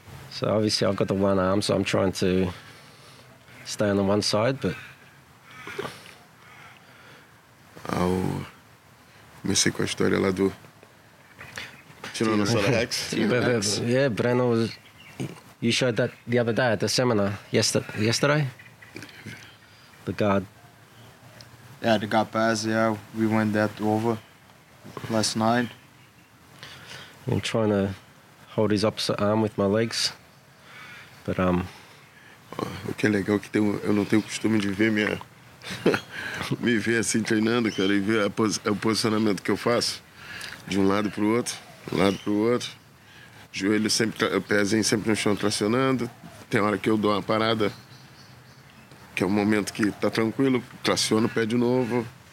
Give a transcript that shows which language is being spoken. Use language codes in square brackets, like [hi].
[en] So obviously I've got the one arm, so I'm trying to stay on the one side, but [pt] eu comecei com a história lá do tirando o Rex. [en] Yeah, Breno was, you showed that the other day at the seminar yesterday. The guard. Yeah, the guard pass, yeah, we went that over last night. I'm trying to hold his opposite arm with my legs, but [pt] O que é legal é que eu não tenho costume de ver minha me ver assim treinando, cara, e ver o posicionamento que eu faço de um lado pro outro, lado pro outro. Joelho sempre, pezinho sempre no chão tracionando. Tem hora que eu dou uma parada, que é um momento que tá tranquilo, traciona o pé de novo.